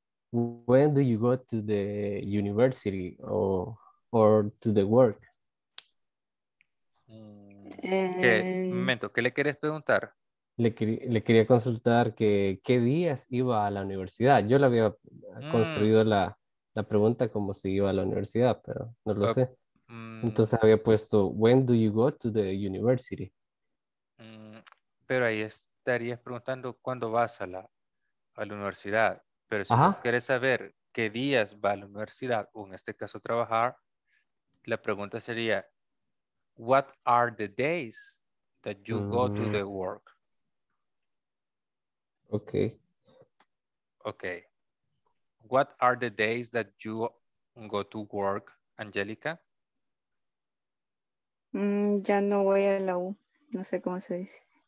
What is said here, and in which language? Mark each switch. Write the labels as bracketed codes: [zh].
[en] When do you go to the university or to the work? [es] ¿Qué momento? ¿Qué le quieres preguntar? Le quería consultar que qué días iba a la universidad. Yo le había construido la pregunta como si iba a la universidad, pero no lo sé. Entonces había puesto, [en] when do you go to the university? [es] Pero ahí estarías preguntando cuándo vas a la universidad. Pero si tú quieres saber qué días va a la universidad, o en este caso trabajar, la pregunta sería, [en] what are the days that you go to the work? Okay. Okay. What are the days that you go to work, Angelica? [es] Ya no voy a la U. No sé cómo se dice.